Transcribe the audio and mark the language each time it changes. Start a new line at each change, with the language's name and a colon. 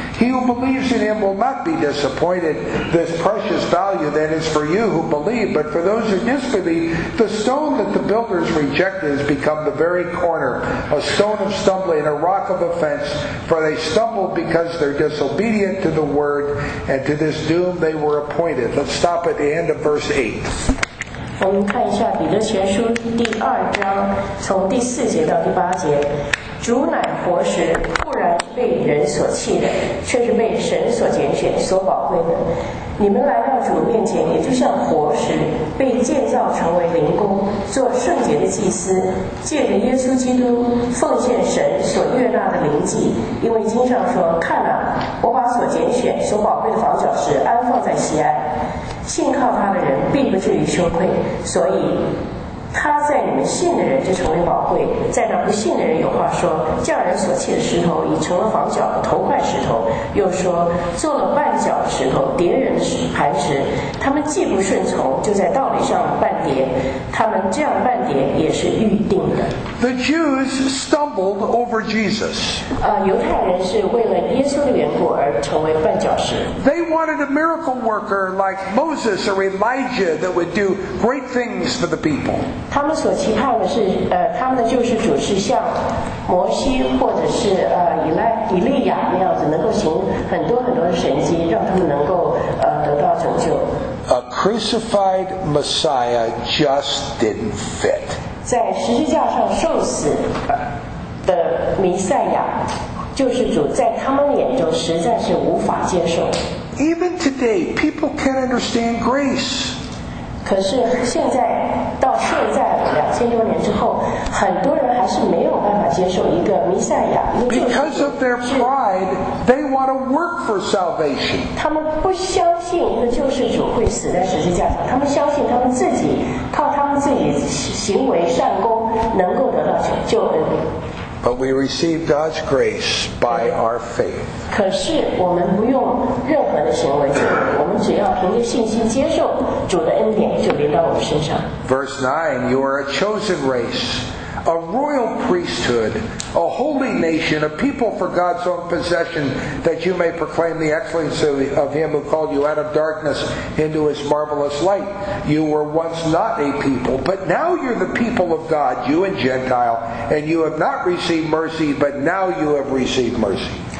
English: He who believes in him will not be disappointed. This precious value then is for you who believe, but for those who disbelieve, the stone that the builders rejected has become the very corner, a stone of stumbling, a rock of offense, for they stumbled because they're disobedient to the word, and to this doom they were appointed. Let's stop at the end of verse 8.
Chinese: 我们看一下彼得前书第二章，从第四节到第八节。主乃活石，固然是被人所弃的，却是被神所拣选、所宝贵的。你们来到主面前，也就像活石，被建造成为灵宫，做圣洁的祭司，借着耶稣基督奉献神所悦纳的灵祭。因为经上说：“看哪、我把所拣选、所宝贵的房角石安放在锡安，信靠他的人并不至于羞愧。” 所以。他在你们信的人就成为宝贵，在那不信的人有话说，匠人所弃的石头已成了房角的头块石头，又说做了绊脚石头，跌人的磐石。他们既不顺从，就在道理上绊跌，他们这样绊跌也是预定的。
English: The Jews stumbled over Jesus.
Chinese: 犹太人是为了耶稣的缘故而成为绊脚石。
English: They wanted a miracle worker like Moses or Elijah that would do great things for the people.
Chinese: 他们所期盼的是，他们的救世主是像摩西或者是以利亚那样子，能够行很多很多的神迹，让他们能够得到拯救。
English: A crucified Messiah just didn't fit.
Chinese: 在十字架上受死的弥赛亚，救世主在他们眼中实在是无法接受。
English: Even today, people can't understand grace.
Chinese: 可是现在到现在两千多年之后，很多人还是没有办法接受一个弥赛亚。
English: Because of their pride, they want to work for salvation.
Chinese: 他们不相信一个救世主会死在十字架上，他们相信他们自己靠他们自己行为善功能够得到救恩。
English: But we receive God's grace by our faith.
Chinese: 可是我们不用任何的行为，我们只要凭着信心接受主的恩典，就临到我们身上。
English: Verse 9, you are a chosen race, a royal priesthood, a holy nation, a people for God's own possession, that you may proclaim the excellency of him who called you out of darkness into his marvelous light. You were once not a people, but now you're the people of God, you and Gentile, and you have not received mercy, but now you have received mercy.